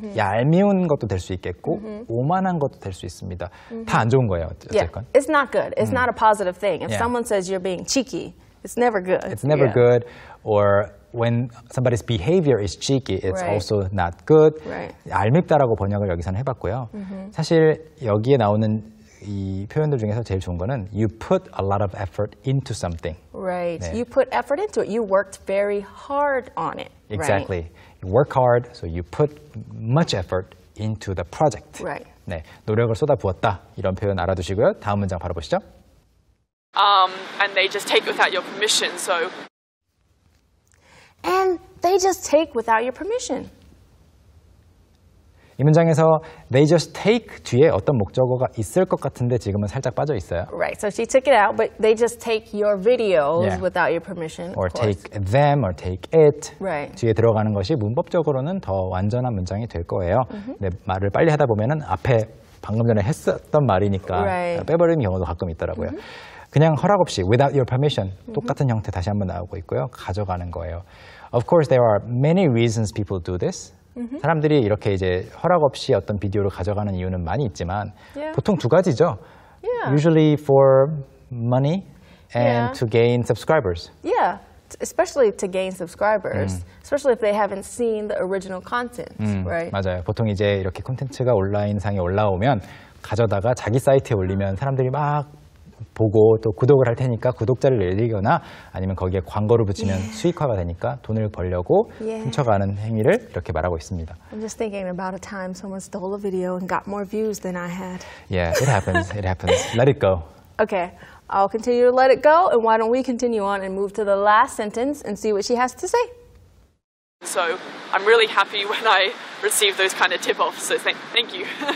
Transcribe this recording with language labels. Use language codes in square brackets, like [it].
[ko] 얄미운 것도 될 수 있겠고 오만한 것도 될 수 있습니다. 다 안 좋은 거예요, 어쨌건. [en] Yeah. It's not good. It's not a positive thing. If someone says you're being cheeky, it's never good. It's never good or when somebody's behavior is cheeky, it's also not good. Right. [ko] 얄밉다라고 번역을 여기서는 해봤고요. 사실 여기에 나오는 이 표현들 중에서 제일 좋은 거는 [en] you put a lot of effort into something. Right. [ko] 네. [en] You put effort into it. You worked very hard on it. Exactly. Right? You work hard, so you put much effort into the project. Right. [ko] 네, 노력을 쏟아부었다. 이런 표현 알아두시고요. 다음 문장 바로 보시죠. [en] And they just take without your permission, so... And they just take without your permission. [ko] 이 문장에서 [en] they just take [ko] 뒤에 어떤 목적어가 있을 것 같은데 지금은 살짝 빠져 있어요. [en] Right, so she took it out, but they just take your videos without your permission. Or take them, or take it. Right. [ko] 뒤에 들어가는 것이 문법적으로는 더 완전한 문장이 될 거예요. 근데 말을 빨리 하다 보면은 앞에 방금 전에 했었던 말이니까 빼버리는 경우도 가끔 있더라고요. 그냥 허락 없이 [en] without your permission [ko] 똑같은 형태 다시 한번 나오고 있고요. 가져가는 거예요. [en] Of course, there are many reasons people do this. [ko] 사람들이 이렇게 이제 허락 없이 어떤 비디오를 가져가는 이유는 많이 있지만 보통 두 가지죠. [en] Yeah. Usually for money and to gain subscribers. Yeah, especially to gain subscribers, especially if they haven't seen the original content, right? [ko] 맞아요. 보통 이제 이렇게 콘텐츠가 온라인 상에 올라오면 가져다가 자기 사이트에 올리면 사람들이 막 보고 또 구독을 할 테니까 구독자를 늘리거나 아니면 거기에 광고를 붙이면 yeah. 수익화가 되니까 돈을 벌려고 yeah. 훔쳐가는 행위를 이렇게 말하고 있습니다. [en] I'm just thinking about a time someone stole a video and got more views than I had. Yeah, it happens. It happens. Let it go. Okay. I'll continue to let it go, and why don't we continue on and move to the last sentence and see what she has to say. So, I'm really happy when I receive those kind of tip-offs, so thank you.